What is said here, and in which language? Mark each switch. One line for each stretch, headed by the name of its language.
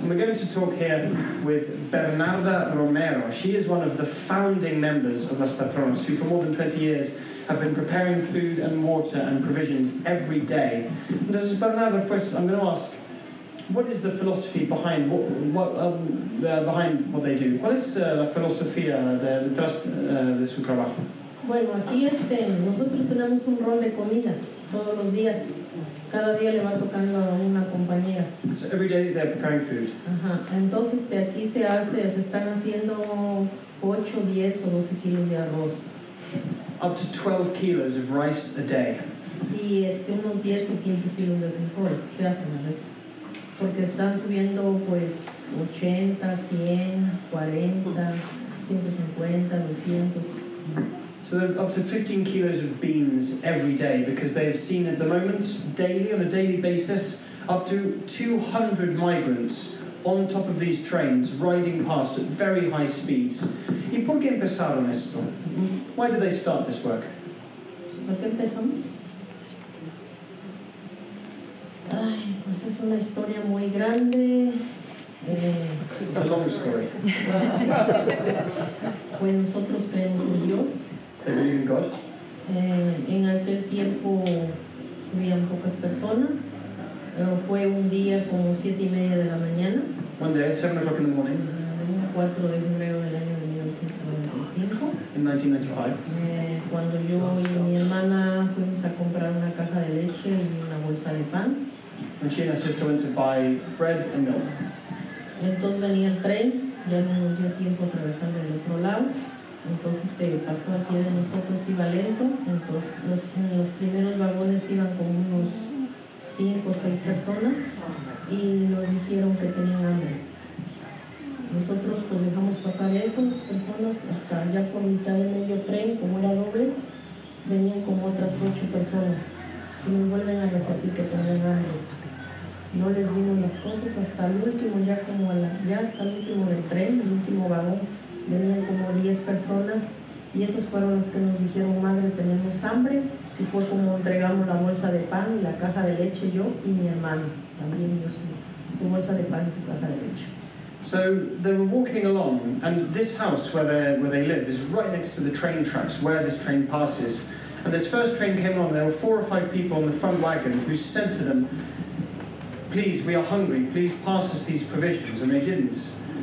English: And we're going to talk here with Bernarda Romero. She is one of the founding members of Las Patronas, who for more than 20 years have been preparing food and water and provisions every day. And as Bernarda, I'm going to ask, what is the philosophy behind behind what they do?
Spanish: ¿Cuál es la filosofía de su trabajo? Bueno, aquí nosotros tenemos un rol de comida todos los días. Cada día le va tocando a una compañera.
English: So every day they're preparing food.
Spanish: Entonces aquí se están haciendo 8, 10 o 12 kilos de arroz.
English: Up to 12 kilos of rice a day.
Spanish: Y unos 10 o 15 kilos de frijol se hacen a veces. Porque están subiendo pues 80, 100, 40, 150, 200.
English: So they're up to 15 kilos of beans every day, because they have seen at the moment, daily, on a daily basis, up to 200 migrants on top of these trains riding past at very high speeds.
Spanish: ¿Y por qué empezaron esto?
English: Why did they start this work?
Spanish: ¿Por qué empezamos? Ay, pues es una historia muy grande.
English: It's a long story.
Spanish: Pues nosotros creemos en Dios.
English: They believe in God.
Spanish: En aquel tiempo subían pocas personas. Fue un día como 7:30 de la mañana.
English: One day, 7:00 in the morning.
Spanish: De un 4 de febrero del año de 1995.
English: In 1995.
Spanish: Cuando yo y mi hermana fuimos a comprar una caja de leche y una bolsa de pan.
English: And she and her sister went to buy bread and milk.
Spanish: Entonces venía el tren, ya no nos dio tiempo a atravesar del otro lado. Entonces pasó a pie de nosotros, iba lento. Entonces los primeros vagones iban con unos 5 o 6 personas y nos dijeron que tenían hambre. Nosotros pues dejamos pasar a esas personas hasta ya por mitad de medio tren, como era doble, venían como otras 8 personas. Y me vuelven a repetir que tenían hambre. No les dimos las cosas hasta el último, ya hasta el último del tren, el último vagón. Venían como 10 personas y esas fueron las que nos dijeron, madre, tenemos hambre. Y fue como entregamos la bolsa de pan y la caja de leche, yo y mi hermano. También dio su bolsa de pan y su caja de leche.
English: So they were walking along, and this house where they live is right next to the train tracks where this train passes. And this first train came along, there were 4 or 5 people on the front wagon who said to them, please, we are hungry, please pass us these provisions, and they didn't.